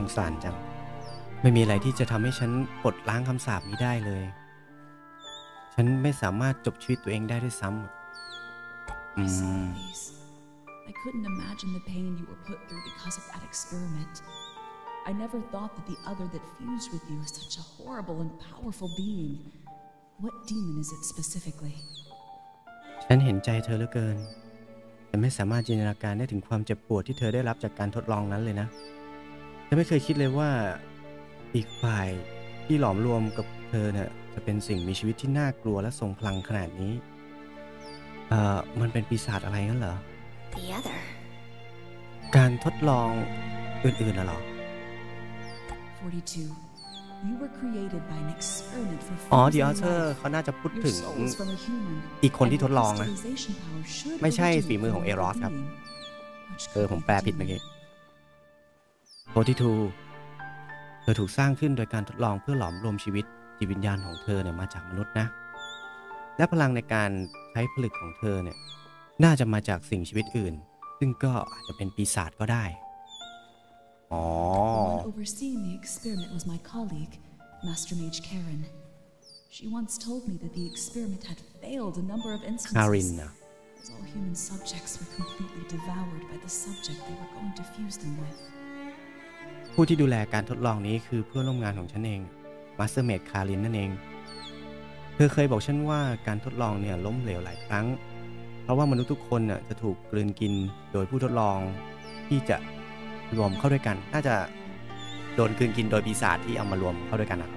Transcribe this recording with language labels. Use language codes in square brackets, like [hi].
[th] สงสารจังไม่มีอะไรที่จะทำให้ฉันปลดล้างคำสาปนี้ได้เลยฉันไม่สามารถจบชีวิตตัวเองได้ด้วยซ้ำ [en] I couldn't imagine the pain you were put through because of that experiment. I never thought that the other that fused with you is such a horrible and powerful being. What demon is it specifically? [th] ฉันเห็นใจเธอเหลือเกินฉันไม่สามารถจินตนาการได้ถึงความเจ็บปวดที่เธอได้รับจากการทดลองนั้นเลยนะฉันไม่เคยคิดเลยว่าอีกฝ่ายที่หลอมรวมกับเธอเนี่ยจะเป็นสิ่งมีชีวิตที่น่ากลัวและทรงพลังขนาดนี้มันเป็นปีศาจอะไรงั้นเหรอ [en] The other. [th] การทดลองอื่นๆน่ะเหรอ [en] 42. You were created by an experiment for The Other [th] เขาน่าจะพูดถึงอีกคนที่ทดลองนะไม่ใช่ฝีมือของเอรอสครับผมแปลผิดเมื่อกี้ 42เธอถูกสร้างขึ้นโดยการทดลองเพื่อหลอมรวมชีวิตจิตวิญญาณของเธอเนี่ยมาจากมนุษย์นะและพลังในการใช้ผลึกของเธอเนี่ยน่าจะมาจากสิ่งชีวิตอื่นซึ่งก็อาจจะเป็นปีศาจก็ได้อ๋อ [en] Overseeing the experiment was my colleague Master Mage Karin. She once told me that the experiment had failed a number of instances. Karin As all human subjects were completely devoured by the subject they were going to fuse them with [th] ผู้ที่ดูแลการทดลองนี้คือเพื่อนร่วมงานของฉันเองมาสเตอร์เมดคารินนั่นเองเธอเคยบอกฉันว่าการทดลองเนี่ยล้มเหลวหลายครั้งเพราะว่ามนุษย์ทุกคนน่ะจะถูกกลืนกินโดยผู้ทดลองที่จะรวมเข้าด้วยกันน่าจะโดนกลืนกินโดยปีศาจที่เอามารวมเข้าด้วยกันนะคร